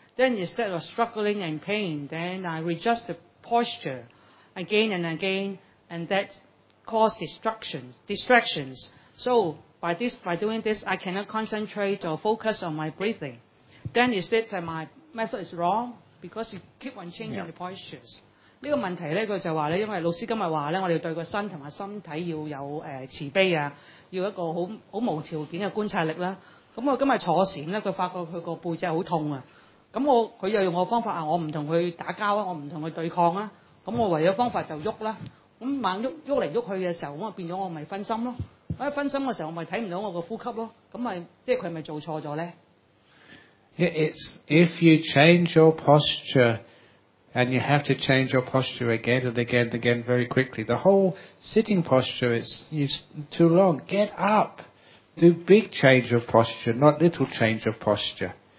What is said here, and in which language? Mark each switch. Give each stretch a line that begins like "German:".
English: Then instead of struggling and pain, then I readjust the posture again and again, and that causes distractions. So by doing this, I cannot concentrate or focus on my breathing. Then is it that my method is wrong because you keep on changing the postures?
Chinese: 這個問題呢,他就說呢, 因為老師今天說呢, 我們要對身體和身體要有, 慈悲, 要一個很無條件的觀察力, 那我今天坐禪呢, 他發覺他的背部很痛, 那我, 他又用我的方法, 我不跟他打架, 我不跟他對抗, 那我唯一的方法就動, 那動來動去的時候, 那變成我就分心, 分心的時候, 我就看不到我的呼吸, 那, 即是他是不是做錯了呢?
English: It's if you change your posture, and you have to change your posture again and again and again very quickly. The whole sitting posture is too long. Get up. Do big change of posture, not little change of posture.